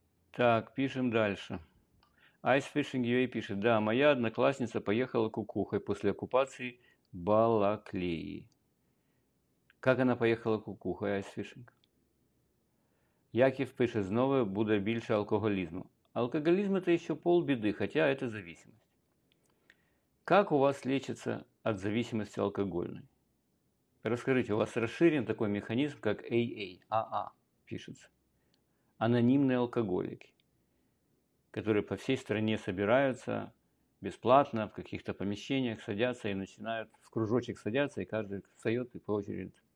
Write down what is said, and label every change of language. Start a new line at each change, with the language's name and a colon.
Russian: Так, пишем дальше. Ice Fishing UA пишет: да, моя одноклассница поехала кукухой после оккупации Балаклеи. Как она поехала кукухой, Ice Fishing?
Ukrainian: Яків пише: знову буде більше алкоголізму.
Russian: Алкоголизм – это еще полбеды, хотя это зависимость. Как у вас лечится от зависимости алкогольной? Расскажите, у вас расширен такой механизм, как AA, AA пишется. Анонимные алкоголики, которые по всей стране собираются бесплатно в каких-то помещениях, садятся и начинают, в кружочек садятся, и каждый встает и по очереди.